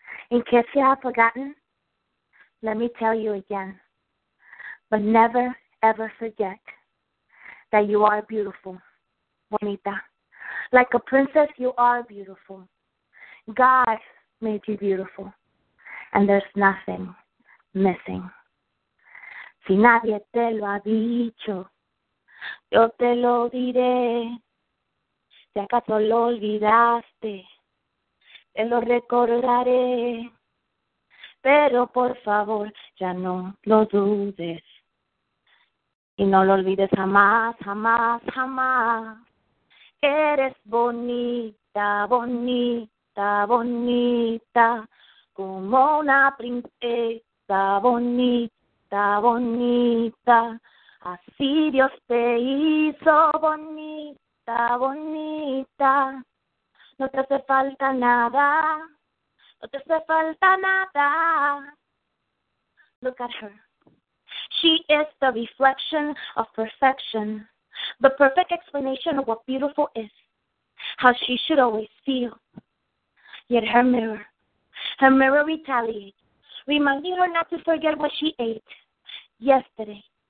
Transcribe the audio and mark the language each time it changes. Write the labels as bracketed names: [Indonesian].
[English] In case you have forgotten, let me tell you again. But never, ever forget that you are beautiful, Bonita. Like a princess, you are beautiful. God made you beautiful, and there's nothing missing. [Spanish] Si nadie te lo ha dicho, yo te lo diré. Si acaso lo olvidaste, te lo recordaré. Pero por favor, ya no lo dudes. Y no lo olvides jamás, jamás, jamás. Eres bonita, bonita, bonita. Como una princesa, bonita, bonita. Así Dios te hizo, bonita, bonita. No te hace falta nada, no te hace falta nada. [English] Look at her. She is the reflection of perfection, the perfect explanation of what beautiful is, how she should always feel. Yet her mirror retaliates, reminding her not to forget what she ate yesterday.